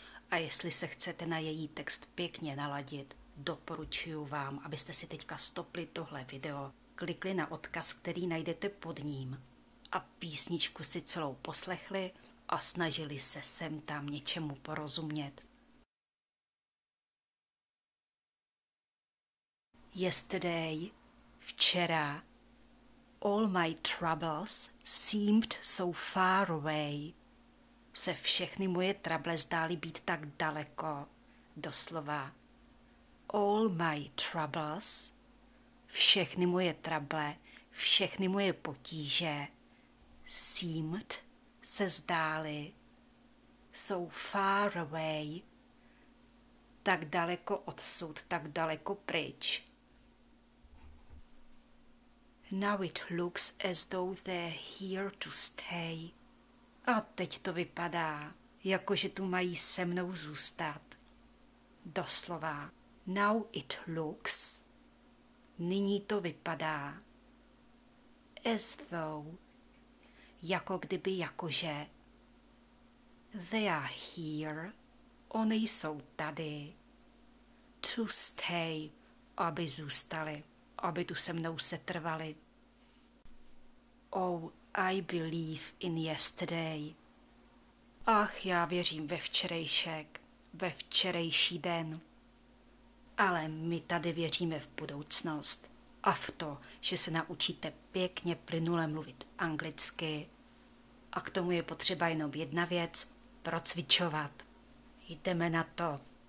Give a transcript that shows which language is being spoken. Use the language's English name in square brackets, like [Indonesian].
[Czech] A jestli se chcete na její text pěkně naladit, doporučuji vám, abyste si teďka stopli tohle video, klikli na odkaz, který najdete pod ním, a písničku si celou poslechli a snažili se sem tam něčemu porozumět. [English] Yesterday, [Czech] včera, [English] all my troubles seemed so far away. [Czech] Se všechny moje trable zdály být tak daleko, doslova. [English] All my troubles, [Czech] všechny moje trable, všechny moje potíže, [English] seemed, [Czech] se zdály, [English] so far away. [Czech] Tak daleko odsud, tak daleko pryč. [English] Now it looks as though they're here to stay. [Czech] A teď to vypadá, jako že tu mají se mnou zůstat. Doslova. [English] Now it looks. [Czech] Nyní to vypadá. [English] As though. [Czech] Jako kdyby, jakože. [English] They are here. [Czech] Oni jsou tady. [English] To stay. [Czech] Aby zůstali. Aby tu se mnou setrvali. [English] Oh, I believe in yesterday. [Czech] Ach, já věřím ve včerejšek, ve včerejší den. Ale my tady věříme v budoucnost a v to, že se naučíte pěkně plynule mluvit anglicky. A k tomu je potřeba jenom jedna věc, procvičovat. Jdeme na to.